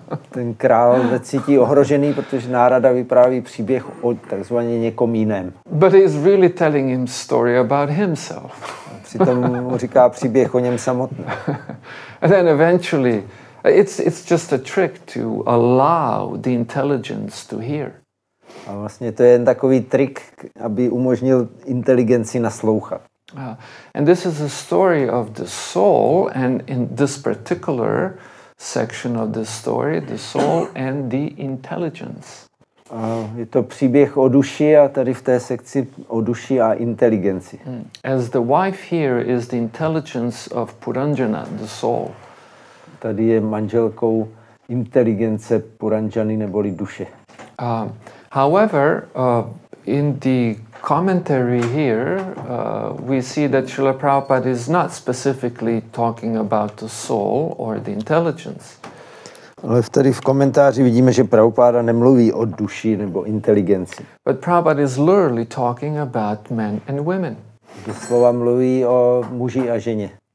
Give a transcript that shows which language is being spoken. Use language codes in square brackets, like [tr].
[cs] Ten král se cítí ohrožený, protože Narada vypráví příběh o takzvaně někom jiném. [en] But he's really telling him story about himself. [cs] Přitom mu říká příběh o něm samotném. [en] And then eventually, it's just a trick to allow the intelligence to hear. [cs] A vlastně to je jen takový trik, aby umožnil inteligenci naslouchat. [en] And this is a story of the soul, and in this particular section of the story, the soul and the intelligence. [cs] Je to příběh o duši a tady v té sekci o duši a inteligenci. [en] As the wife here is the intelligence of Puranjana, the soul. [cs] Tady je manželkou inteligence Puranjany neboli duše. [en] However, in the commentary here, we see that Srila Prabhupada is not specifically talking about the soul or the intelligence. [cs] Ale tady v komentáři vidíme, že Prabhupada nemluví o duši nebo inteligenci. [en] But Prabhupada is literally talking about men and women. [cs] Doslova mluví o muži a ženě.